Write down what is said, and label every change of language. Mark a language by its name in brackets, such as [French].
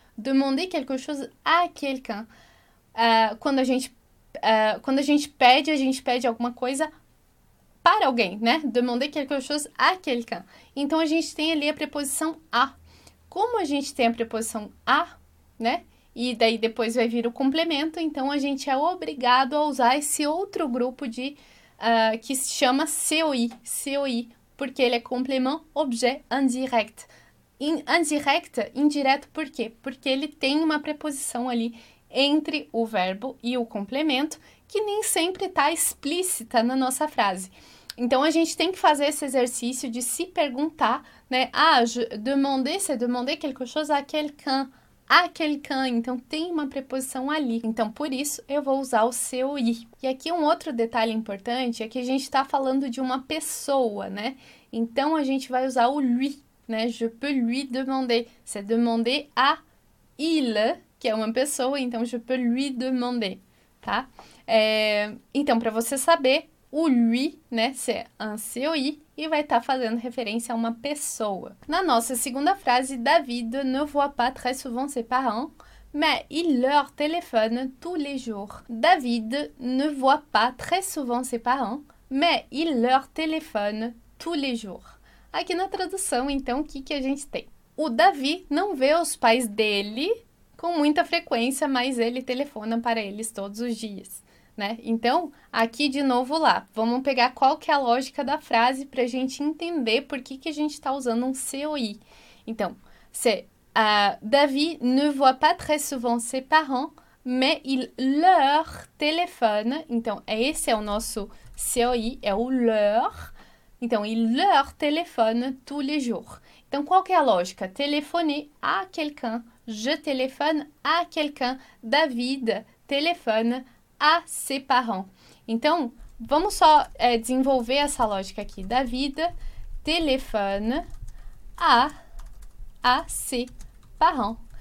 [French] Demander quelque chose à quelqu'un. [Portuguese] Quando a gente pede alguma coisa para alguém, né? [French] Demander quelque chose à quelqu'un. [Portuguese] Então, a gente tem ali a preposição a. Como a gente tem a preposição a, né? E daí depois vai vir o complemento, então a gente é obrigado a usar esse outro grupo de que se chama COI, COI, porque ele é [French] complément objet indirect. [Portuguese] Indirect, indireto, por quê? Porque ele tem uma preposição ali entre o verbo e o complemento, que nem sempre está explícita na nossa frase. Então, a gente tem que fazer esse exercício de se perguntar, né? [French] Ah, demander, c'est demander quelque chose à quelqu'un. À quelqu'un. [Portuguese] Então, tem uma preposição ali. Então, por isso, eu vou usar o COI. E aqui, um outro detalhe importante é que a gente está falando de uma pessoa, né? Então, a gente vai usar o lui, né? [French] Je peux lui demander. C'est demander à il, [Portuguese] que é uma pessoa. Então, [French] je peux lui demander, [Portuguese] tá? Então, para você saber, o lui, né, [French] c'est un COI, [Portuguese] e e vai estar fazendo referência a uma pessoa. Na nossa segunda frase, [French] David ne voit pas très souvent ses parents, mais il leur téléphone tous les jours. David ne voit pas très souvent ses parents, mais il leur téléphone tous les jours. [Portuguese] Aqui na tradução, então, o que que a gente tem? O Davi não vê os pais dele com muita frequência, mas ele telefona para eles todos os dias, né? Então, aqui de novo lá, vamos pegar qual que é a lógica da frase para a gente entender por que que a gente está usando um COI. [French] Então, c'est David ne voit pas très souvent ses parents, mais il leur téléphone. [Portuguese] Então, esse é o nosso COI, é o leur. [French] Então, il leur téléphone tous les jours. [Portuguese] Então, qual que é a lógica? [French] Téléphoner à quelqu'un. Je téléphone à quelqu'un. David téléphone à ses parents. [Portuguese] Então, vamos só desenvolver essa lógica aqui. [French] David téléphone à ses parents.